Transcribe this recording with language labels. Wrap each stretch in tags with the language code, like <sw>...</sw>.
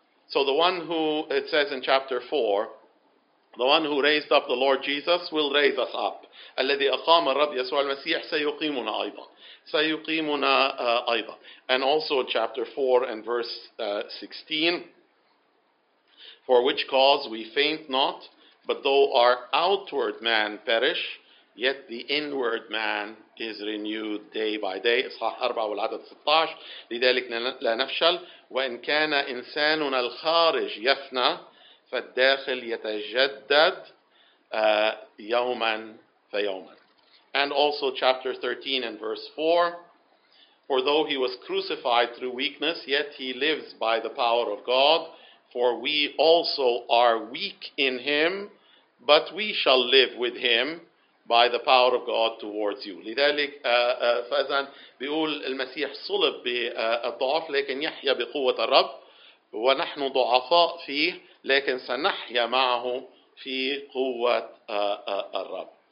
<en>So the one who, it says in chapter 4, the one who raised up the Lord Jesus will raise us up.</en> <ar>الذي أقام الرب يسوع المسيح سيقيمنا أيضا. سيقيمنا أيضا.</ar> <en>And also chapter 4 and verse 16. For which cause we faint not, but though our outward man perish, yet the inward man is renewed day by day.</en> <ar>إصحاح 4 والعدد 16. لذلك لا نفشل وإن كان إنساننا الخارج يفنى فالداخل يتجدد يوما فيوما.</ar> <en>And also chapter 13 and verse 4. For though he was crucified through weakness, yet he lives by the power of God. For we also are weak in him, but we shall live with him by the power of God towards you.</en> <ar>لذلك فإذن بيقول المسيح صلب بالضعف لكن يحيى بقوة الرب ونحن ضعفاء فيه لكن سنحيا معه في قوة الرب.</ar>